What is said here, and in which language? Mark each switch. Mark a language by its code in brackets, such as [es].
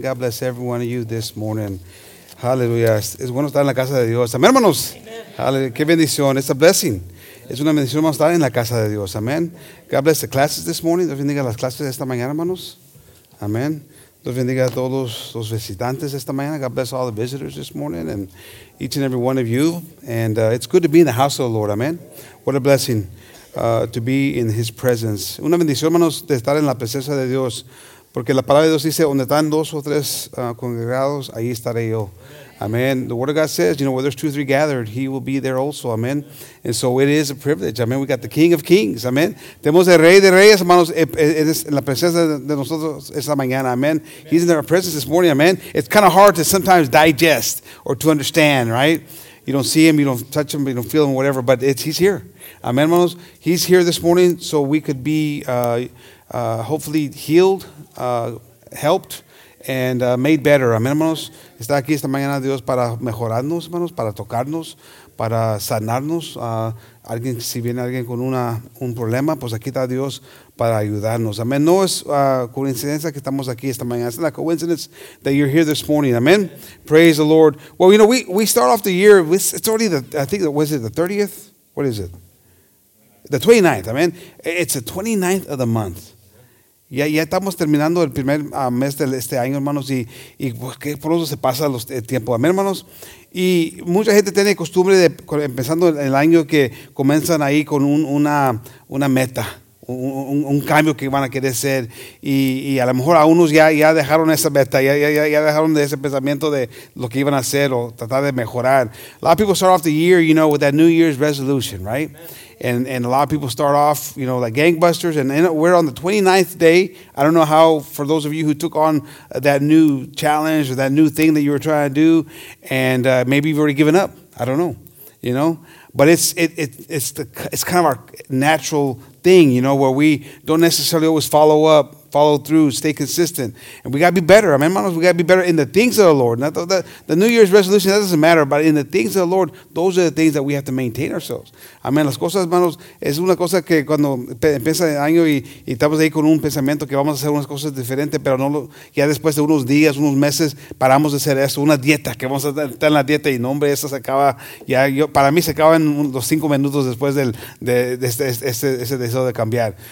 [en] God bless every one of you this morning. Hallelujah. [es] Es bueno estar en la casa de Dios. Amen, hermanos. Hallelujah. Qué bendición. [en] It's a blessing. [es] Es una bendición, hermanos, estar en la casa de Dios. Amen. [en] God bless the classes this morning. [es] Dios bendiga las clases de esta mañana, hermanos. Amen. Dios bendiga a todos los visitantes esta mañana. [en] God bless all the visitors this morning and each and every one of you. And it's good to be in the house of the Lord. Amen. What a blessing to be in His presence. [es] Una bendición, hermanos, de estar en la presencia de Dios. Porque la palabra de Dios dice, donde están dos o tres congregados, ahí estaré yo. Amen. [en] The word of God says, you know, where there's two or three gathered, He will be there also. Amen. And so it is a privilege. Amen. We got the King of Kings. Amen. [es] Tenemos el Rey de Reyes, hermanos, en la presencia de nosotros esta mañana. [en] Amen. He's in our presence this morning. Amen. It's kind of hard to sometimes digest or to understand, right? You don't see Him, you don't touch Him, you don't feel Him, whatever, but He's here. Amen, hermanos. He's here this morning so we could be hopefully healed, helped, and made better. [es] Amen, hermanos. Está aquí esta mañana Dios para mejorarnos, hermanos, para tocarnos, para sanarnos. Alguien, si viene alguien con un problema, pues aquí está Dios para ayudarnos. Amen. No es coincidencia que estamos aquí esta mañana. [en] It's not a coincidence that you're here this morning. Amen. Praise the Lord. Well, you know, we start off the year. It's already the 30th? What is it? The 29th. Amen. It's the 29th of the month. [es] Ya estamos terminando el primer mes de este año, hermanos, y pues, qué pronto se pasa el tiempo. Amén, hermanos. Y mucha gente tiene costumbre de, empezando el año, que comienzan ahí con una meta, un cambio que van a querer hacer. Y a lo mejor a unos ya dejaron esa meta, ya dejaron de ese pensamiento de lo que iban a hacer o tratar de mejorar. [en] A lot of people start off the year, you know, with that New Year's resolution, right? Amen. And a lot of people start off, you know, like gangbusters. And we're on the 29th day. I don't know how, for those of you who took on that new challenge or that new thing that you were trying to do, and maybe you've already given up. I don't know, you know. But it's kind of our natural thing, you know, where we don't necessarily always follow up, follow through, stay consistent. And we got to be better. Amen, hermanos? We got to be better in the things of the Lord. Not the New Year's resolution, that doesn't matter. But in the things of the Lord, those are the things that we have to maintain ourselves. Amen. [es] Las cosas, hermanos, es una cosa que cuando empieza el año y estamos ahí con un pensamiento que vamos a hacer unas cosas diferentes, pero ya después de unos días, unos meses, paramos de hacer eso, una dieta, que vamos a estar en la dieta. Y no, hombre, eso se acaba. Para mí se acaba en los 5 minutos después de ese deseo de cambiar.